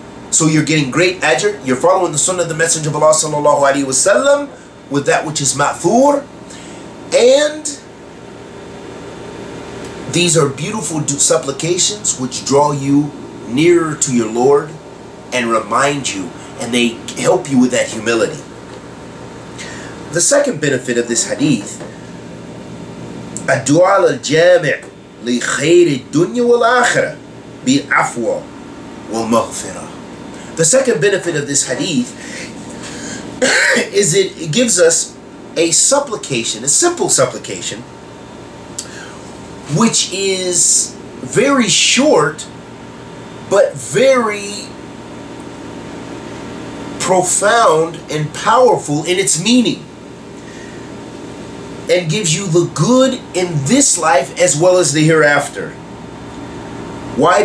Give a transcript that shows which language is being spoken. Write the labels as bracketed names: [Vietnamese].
[English] So you're getting great ajr. You're following the sunnah of the Messenger of Allah sallallahu alayhi wasallam with that which is ma'thur. And these are beautiful supplications which draw you nearer to your Lord and remind you, and they help you with that humility. The second benefit of this hadith, [Arabic] الدُّعَى الْجَامِعُ لِخَيْرِ الدُّنْيَا وَالْآخِرَةِ بِالْعَفْوَ وَالْمَغْفِرَةِ. [English] The second benefit of this hadith is it gives us a supplication, a simple supplication, which is very short, but very profound and powerful in its meaning, and gives you the good in this life as well as the hereafter. Why?